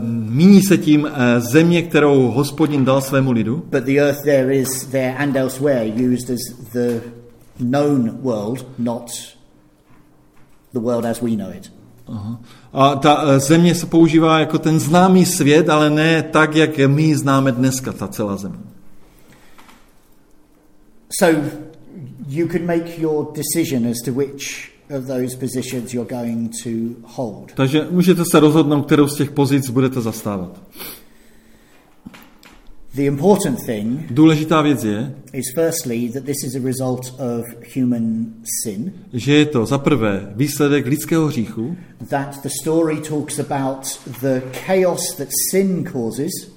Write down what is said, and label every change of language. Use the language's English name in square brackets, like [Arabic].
[Czech] Míní se tím země, kterou Hospodin dal svému lidu. [English] But the earth there is there and elsewhere used as the known world, not the world as we know it. Aha. [Czech] A ta země se používá jako ten známý svět, ale ne tak, jak my známe dneska ta celá země. [English] So you could make your decision as to which of those positions you're going to hold. [Czech] Takže můžete se rozhodnout, kterou z těch pozic budete zastávat. [English] The important thing [Czech] Důležitá věc je, [English] is firstly that this is a result of human sin. [Czech] Že je to za prvé výsledek lidského hříchu. [English] That the story talks about the chaos that sin causes.